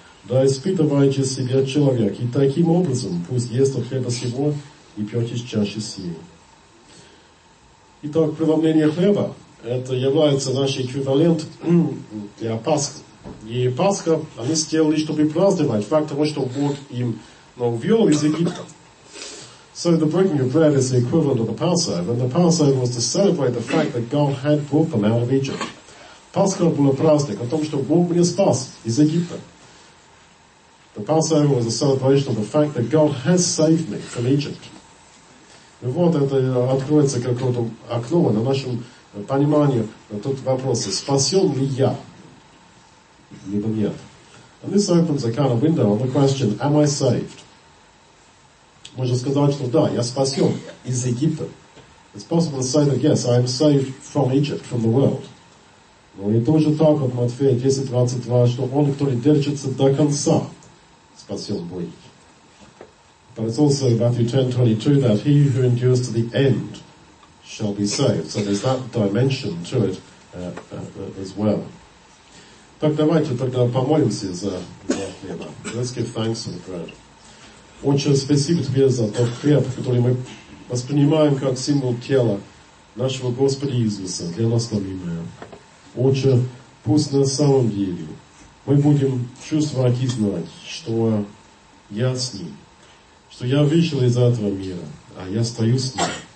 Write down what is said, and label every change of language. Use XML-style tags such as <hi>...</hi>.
<ru>Да испытывайте себя человек, и таким образом пусть ест хлеба сего и пьете чашу сию. Итак, преломление хлеба. Это является наш эквивалент для Пасхи. И Пасха они сделали, чтобы праздновать факт того, что Бог им вел из Египта.</ru> <en>So the breaking of bread is the equivalent of the Passover. And the Passover was to celebrate the fact that God had brought them out of Egypt.</en> <ru>Пасха была праздник о том, что Бог меня спас из Египта.</ru> <en>The Passover was a celebration of the fact that God has saved me from Egypt.</en> <ru>И вот это откроется какое-то окно на нашем понимание, тут вопрос, спасен ли я, либо нет.</ru> <en>And this opens a kind of window on the question, am I saved?</en> <ru>Можно сказать, что да, я спасен из Египта.</ru> <en>It's possible to say that yes, I am saved from Egypt, from the world.</en> <ru>Но и тоже так от Матфея 10:22, что он, который держится до конца, спасен будет.</ru> <en>But it's also Matthew 10:22, that he who endures to the end shall be saved. So there's that dimension to it as well.</en> <ru>Так давайте тогда помолимся за хлеба.</ru> <en>Let's give thanks for the bread.</en> <ru>Отче, спасибо тебе за тот хлеб, который мы воспринимаем как символ тела нашего Господа Иисуса для нас любимого. Отче, пусть на самом деле мы будем чувствовать и знать, что я с ним, что я вышел из этого мира, а я стою с ним.</ru>